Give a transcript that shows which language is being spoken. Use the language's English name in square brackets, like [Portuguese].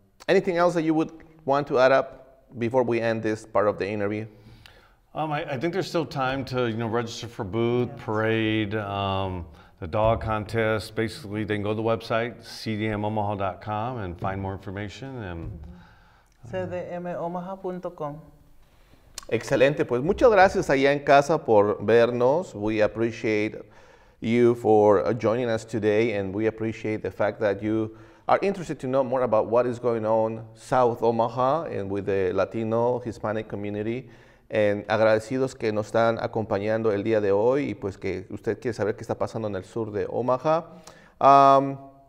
[English] Anything else that you would want to add up before we end this part of the interview? I think there's still time to, you know, register for booth, yes. parade, the dog contest. Basically, they can go to the website, cdmomaha.com, and find more information. And cdmomaha.com. [Spanish] Excelente. Pues muchas gracias allá en casa por vernos. [English] We appreciate you for joining us today, and we appreciate the fact that you are interested to know more about what is going on South Omaha and with the Latino Hispanic community. [Spanish] And agradecidos que nos están acompañando el día de hoy, y pues que usted quiere saber qué está pasando en el sur de Omaha.